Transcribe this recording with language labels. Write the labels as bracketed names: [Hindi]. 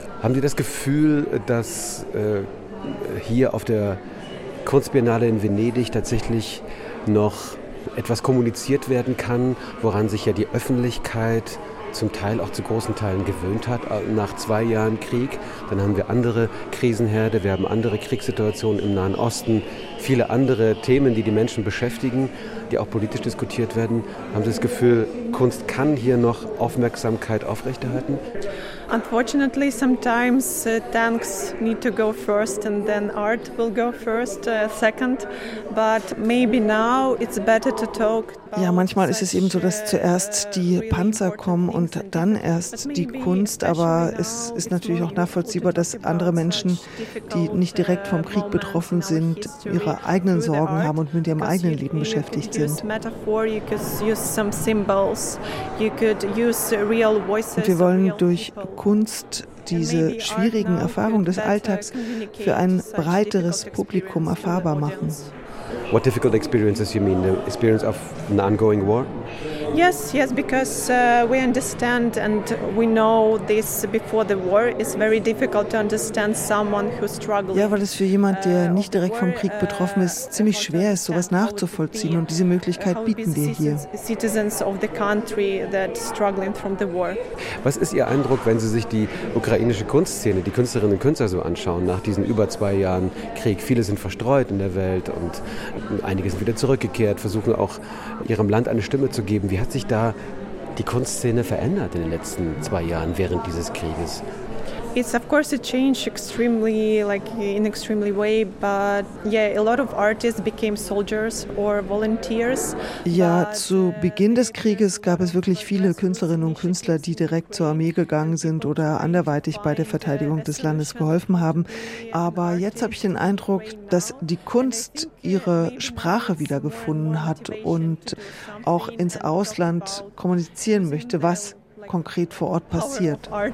[German] Haben Sie das Gefühl, dass hier auf der Kunstbiennale in Venedig tatsächlich noch etwas kommuniziert werden kann, woran sich ja die Öffentlichkeit zum Teil auch zu großen Teilen gewöhnt hat, nach 2 Jahren Krieg? Dann haben wir andere Krisenherde, wir haben andere Kriegssituationen im Nahen Osten, viele andere Themen, die die Menschen beschäftigen, die auch politisch diskutiert werden. Haben Sie das Gefühl, Kunst kann hier noch Aufmerksamkeit aufrechterhalten? [English] Unfortunately, sometimes tanks need to go first and then art will go first, second. But maybe now it's better to talk. [German] Ja, manchmal ist es eben so, dass zuerst die Panzer kommen und dann erst die Kunst. Aber es ist natürlich auch nachvollziehbar, dass andere Menschen, die nicht direkt vom Krieg betroffen sind, ihre eigenen Sorgen haben und mit ihrem eigenen Leben beschäftigt sind. Und wir wollen durch Kunst diese schwierigen Erfahrungen des Alltags für ein breiteres Publikum erfahrbar machen. [English] What difficult experiences you mean? The experience of an ongoing war? Yes, because we understand and we know this before the war is very difficult to understand someone who struggles. [German] Ja, weil es für jemand, der nicht direkt vom Krieg betroffen ist, ziemlich schwer ist, sowas nachzuvollziehen, und diese Möglichkeit bieten wir hier. [English] Citizens of the country that struggling from the war. [German] Was ist Ihr Eindruck, wenn Sie sich die ukrainische Kunstszene, die Künstlerinnen und Künstler so anschauen nach diesen über 2 Jahren Krieg? Viele sind verstreut in der Welt und einige sind wieder zurückgekehrt, versuchen auch ihrem Land eine Stimme zu geben. Wie hat sich da die Kunstszene verändert in den letzten 2 Jahren während dieses Krieges? [English] It's of course a change extremely, like in extremely way, but yeah, a lot of artists became soldiers or volunteers. [German] Ja, zu Beginn des Krieges gab es wirklich viele Künstlerinnen und Künstler, die direkt zur Armee gegangen sind oder anderweitig bei der Verteidigung des Landes geholfen haben. Aber jetzt habe ich den Eindruck, dass die Kunst ihre Sprache wiedergefunden hat und auch ins Ausland kommunizieren möchte, was konkret vor Ort passiert.